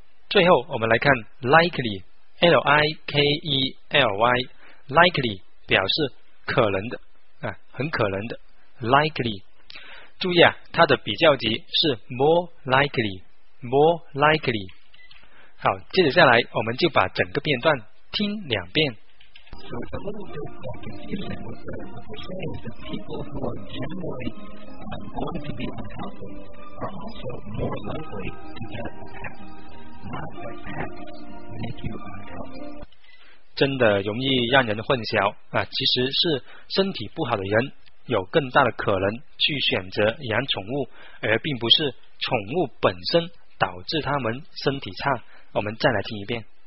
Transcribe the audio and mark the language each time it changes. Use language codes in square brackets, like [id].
[zh] 最后我们来看 likely， L-I-K-E-L-Y， likely 表示可能的很可能的 likely。注意它的比较级是 more likely， more likely。好，接着下来我们就把整个片段听两遍。 [en] So it's a little bit confusing what they're saying, is that people who are generally going to be unhealthy are also more likely to get attacked. Not that attacks make you unhealthy. [zh] 真的容易让人混淆其实是身体不好的人有更大的可能去选择养宠物，而并不是宠物本身导致他们身体差。我们再来听一遍。